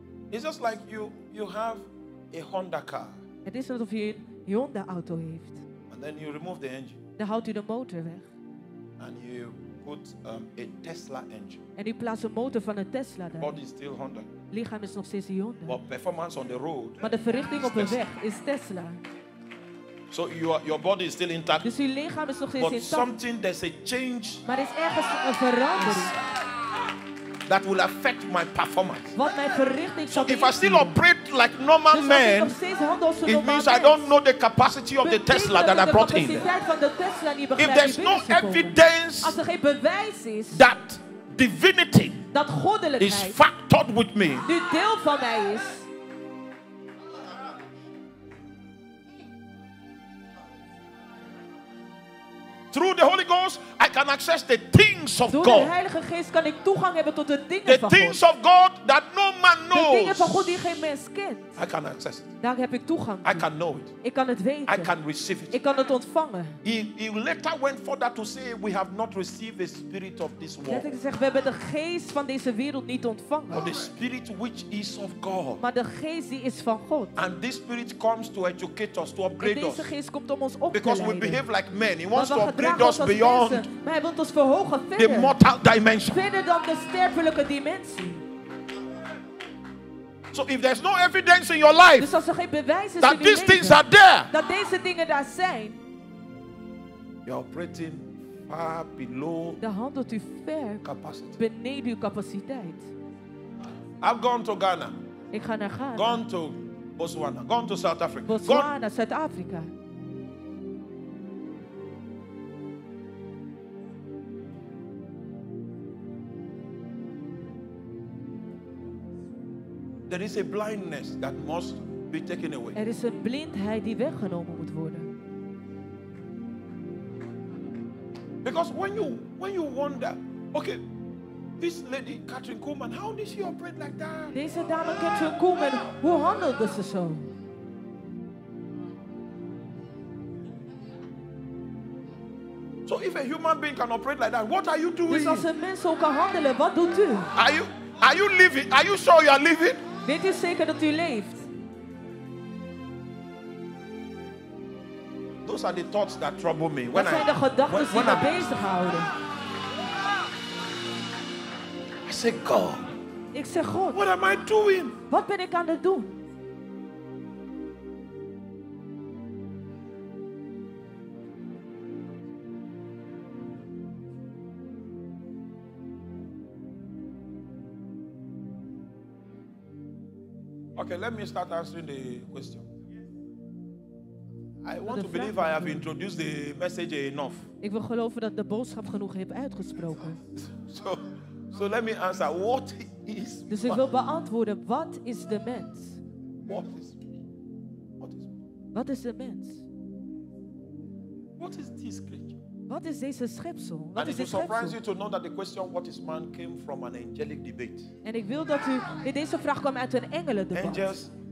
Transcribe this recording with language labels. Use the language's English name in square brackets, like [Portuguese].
[English] It's just like you have a Honda car. [Dutch] Het is alsof je een Honda auto heeft. [English] And then you remove the engine. [Dutch] Dan haalt u de motor weg. [English] And you put a Tesla engine. [Dutch] En u plaatst een motor van een Tesla daar. [English] Body is still Honda. [Dutch] Lichaam is nog steeds een Honda. [English] But performance on the road. [Dutch] Maar de verrichting op de weg is Tesla. [English] So your body is still intact. [Dutch] Dus uw lichaam is nog steeds [English] intact. But something there's a change. [Dutch] Maar er is ergens een verandering. [English] That will affect my performance. [Dutch] Wat mijn verrichting zal [English] so if I still operate like normal [Dutch] dus [English] man, normal it means I don't know the capacity of the Tesla that I brought in. If there's no evidence [Dutch] als er geen bewijs is, [English] that divinity [Dutch] dat goddelijkheid [English] is factored with me, [Dutch] nu deel van mij is. [English] Through the Holy Ghost, I can access the things of God. [Dutch] Door de Heilige Geest kan ik toegang hebben tot de dingen van God. [English] The things of God that no man knows. [Dutch] De dingen van God die geen mens kent. [English] I can access it. [Dutch] Daar heb ik toegang. [English] I can know it. [Dutch] Ik kan het weten. [English] I can receive it. [Dutch] Ik kan het ontvangen. [English] He later went further to say, we have not received the spirit of this world. [Dutch] Hij zegt, we hebben de geest van deze wereld niet ontvangen. [English] But the spirit which is of God. [Dutch] Maar de geest die is van God. [English] And this spirit comes to educate us, to upgrade us. [Dutch] Deze geest komt om ons op te [English] because [Dutch] leiden. [English] We behave like men. He wants to upgrade us beyond the mortal dimension. [Dutch] Verder dan de sterfelijke dimensie. [English] So if there's no evidence in your life [Dutch] dus als er geen bewijs is [English] that in these [Dutch] leven, [English] things are there, [Dutch] dat deze dingen daar zijn, [English] you're operating far below [Dutch] dan handelt u ver [English] capacity. [Dutch] Beneden uw capaciteit. [English] I've gone to Ghana. [Dutch] Ik ga naar Ghana. [English] Gone to Botswana. Gone to South Africa. [Dutch] Botswana, Zuid-Afrika. [English] There is a blindness that must be taken away. [Dutch] Er is een blindheid die weggenomen moet worden. [English] Because when you wonder, okay, this lady Catherine Kuhlman, how did she operate like that? [Dutch] Deze dame Catherine Kuhlman, hoe handelde ze zo? [English] So if a human being can operate like that, what are you doing? [Dutch] Dus als een mens zo kan handelen, wat doet u? [English] Are you Are you living? Are you sure you are living? [Dutch] Weet u zeker dat u leeft? [English] Those are the thoughts that trouble me. [Dutch] Dat zijn de gedachten die me bezighouden. [English] I say God. [Dutch] Ik zeg God. [English] What am I doing? [Dutch] Wat ben ik aan het doen? [English] Okay, let me start answering the question. I want to believe I have introduced the message enough. [Dutch] Ik wil geloven dat de boodschap genoeg heb uitgesproken. [English] So let me answer. What is? [Dutch] Dus ik wil beantwoorden. Wat is de mens? [English] What is [Dutch] de mens? [English] What is this creature? [Dutch] Wat is deze schepsel? [English] And it will surprise you to know that the question "What is man?" came from an angelic debate. [Dutch] En ik wil dat u deze vraag kwam uit een engelendebat.